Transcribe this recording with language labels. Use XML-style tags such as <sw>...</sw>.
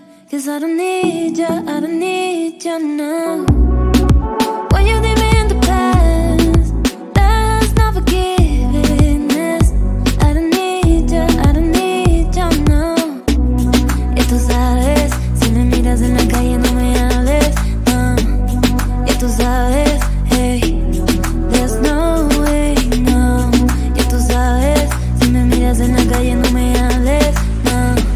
<en>Cause I don't need ya, I don't need ya now. When you leave me in the past, that's not forgiveness. I don't need ya, I don't need ya now.</en> <es>Y tú sabes, si me miras en la calle no me hables, no. Y tú sabes,</es> <en>hey, there's no way, no.</en> <es>Y tú sabes, si me miras en la calle no me hables, no.</es>